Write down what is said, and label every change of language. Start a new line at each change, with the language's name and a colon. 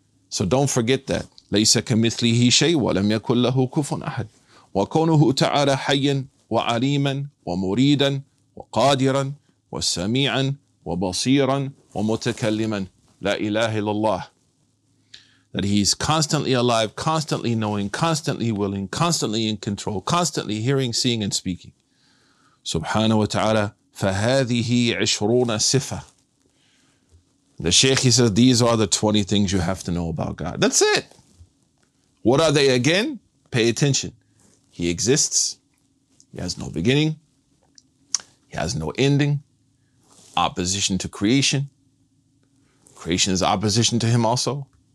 English: So don't forget that.
Arabic: لَيْسَ كَمِثْلِهِ شَيْءٌ وَلَمْ يَكُنْ لَهُ كُفُوًا أَحَدٌ وَكَوْنُهُ تَعَالَى حَيًّا وَعَلِيمًا وَمُرِيدًا وَقَادِرًا وَسَمِيعًا وَبَصِيرًا وَمُتَكَلِّمًا لَا إِلَهَ إِلَّا اللَّهُ.
English: That he's constantly alive, constantly knowing, constantly willing, constantly in control, constantly hearing, seeing and speaking.
Arabic: سبحانه وتعالى فهذه عشرون صفة.
English: The Shaykh, he says, these are the 20 things you have to know about God. That's it. What are they again? Pay attention. He exists. He has no beginning. He has no ending. Opposition to creation. Creation is opposition to him also.